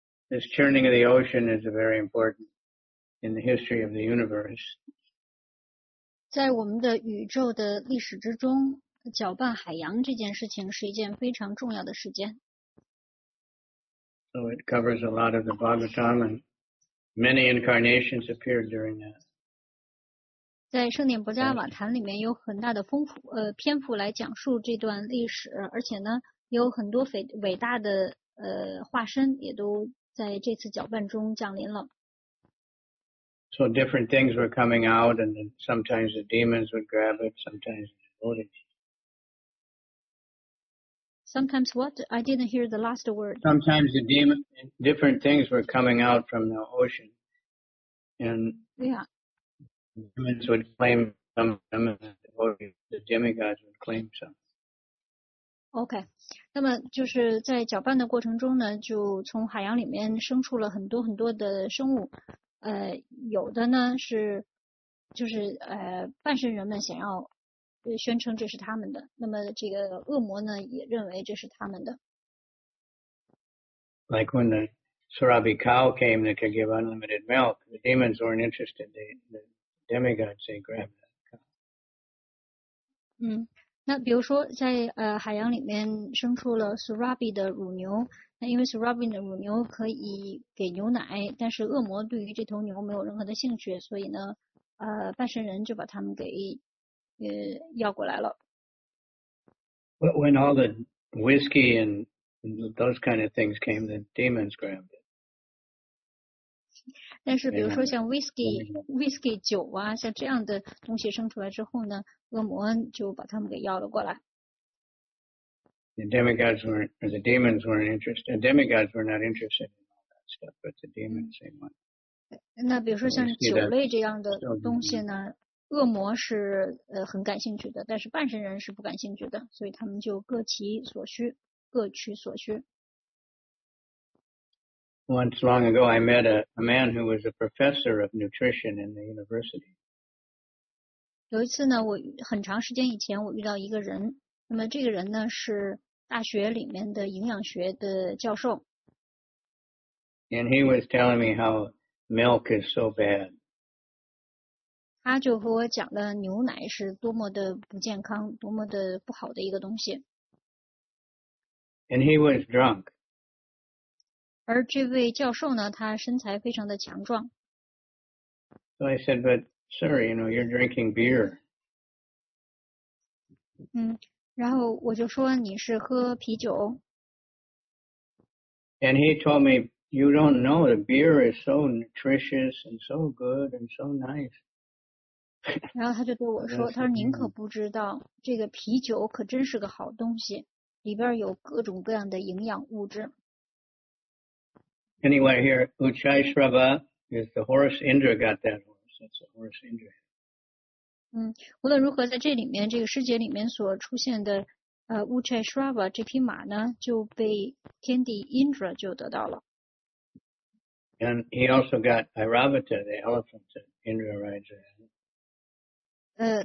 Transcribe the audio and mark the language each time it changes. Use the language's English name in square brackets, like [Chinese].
[English] This churning of the ocean is a very important in the history of the universe. [Chinese] 在我们的宇宙的历史之中，搅拌海洋这件事情是一件非常重要的事件。 [English] So it covers a lot of the Bhagavatam and many incarnations appeared during that. [Chinese] 在圣典博迦瓦坛里面有很大的丰富篇幅来讲述这段历史，而且呢有很多伟大的化身也都在这次搅拌中降临了。 [English] So different things were coming out, and then sometimes the demons would grab it, sometimes the devotees. Sometimes what? I didn't hear the last word. Sometimes the demon, different things were coming out from the ocean, and yeah. The demons would claim some of them, and the demigods would claim some. [Chinese] OK, 那么就是在搅拌的过程中呢，就从海洋里面生出了很多很多的生物。有的呢是就是半身人们想要宣称这是他们的，那么这个恶魔呢也认为这是他们的。 [English] Like when the Surabhi cow came that could give unlimited milk, the demons weren't interested, the demigods they grabbed that cow. [Chinese] 那比如说在海洋里面生出了 Surabhi 的乳牛，那因为 Surabhi 的乳牛可以给牛奶，但是恶魔对于这头牛没有任何的兴趣，所以呢半神人就把他们给要过来了。 [English] But when all the whiskey and those kind of things came, the demons grabbed it. [Chinese] 但是比如说像 whiskey 酒啊，像这样的东西生出来之后呢，恶魔就把他们给要了过来。 [English] The demigods weren't, or the demons weren't interested. Demigods were not interested in all that stuff, but the demons they want. [Chinese] 那比如说像酒类这样的东西呢，恶魔是很感兴趣的，但是半神人是不感兴趣的，所以他们就各其所需，各取所需。 [English] Once long ago, I met a man who was a professor of nutrition in the university. [Chinese] 有一次呢，我很长时间以前我遇到一个人。那么这个人呢是大学里面的营养学的教授。 [English] And he was telling me how milk is so bad. [Chinese] 他就和我讲了牛奶是多么的不健康，多么的不好的一个东西。 [English] And he was drunk. [Chinese] 而这位教授呢，他身材非常的强壮。 [English] So I said, but sir, you know, you're drinking beer. [Chinese] 然后我就说你是喝啤酒。 [English] And he told me, you don't know, the beer is so nutritious and so good and so nice. [Chinese] 然后他就对我说，他说您可不知道，这个啤酒可真是个好东西，里边有各种各样的营养物质。 [English] Anyway, here, Uchai Shrava is the horse Indra got that horse. That's the horse Indra. [Chinese] 无论如何，在这里面，这个师节里面所出现的，Uchai Shrava 这匹马呢，就被天帝 Indra 就得到了。 [English] And he also got Airavata, the elephant that Indra rides in.